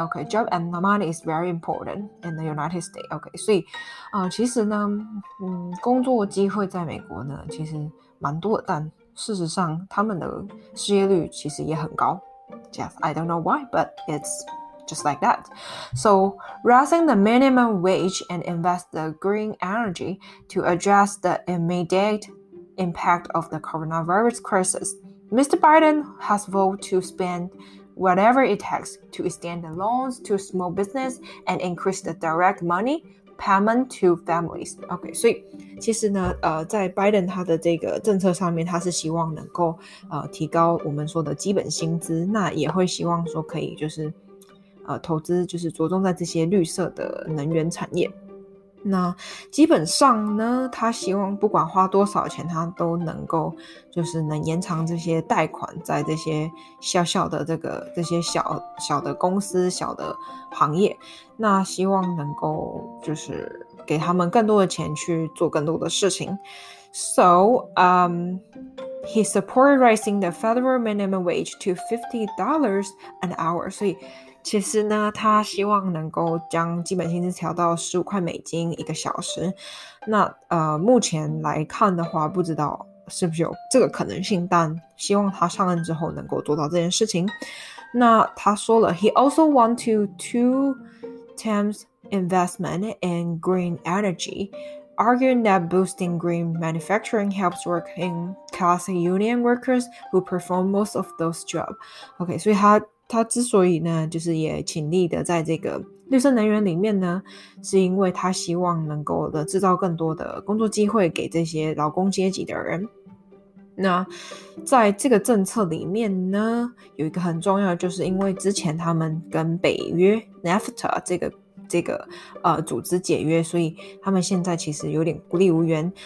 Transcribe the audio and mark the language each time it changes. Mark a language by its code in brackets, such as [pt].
[en] OK, job and money is very important in the United States. [zh] OK, 所以其实呢工作机会在美国呢其实蛮多的，但事实上他们的失业率其实也很高。 [en] Yes, I don't know why, but it'sJust like that. So, raising the minimum wage and invest the green energy to address the immediate impact of the coronavirus crisis. Mr. Biden has vowed to spend whatever it takes to extend the loans to small business and increase the direct money payment to families. [zh] Okay, so, 其实呢，在 Biden 他的这个政策上面，他是希望能够提高我们说的基本薪资，那也会希望说可以就是。投资就是着重在这些绿色的能源产业。那基本上呢，他希望不管花多少钱，他都能够就是能延长这些贷款，在这些小小的这些小小的公司、小的行业，那希望能够就是给他们更多的钱去做更多的事情。So, [en] He supported raising the federal minimum wage to $50 an hour. [zh] 所以其实呢，他希望能够将基本薪资调到$15一个小时。那目前来看的话，不知道是不是有这个可能性，但希望他上任之后能够做到这件事情。那他说了 [en] ，He also want to two times investment in green energy. Arguing that boosting green manufacturing helps working class union workers who perform most of those jobs. [zh] OK, 所以他之所以呢，就是也倾力的在这个绿色能源里面呢，是因为他希望能够的制造更多的工作机会给这些劳工阶级的人。那在这个政策里面呢，有一个很重要的，就是因为之前他们跟北约 NAFTA 这个组织解约，所以他们现在其实有点孤立无援。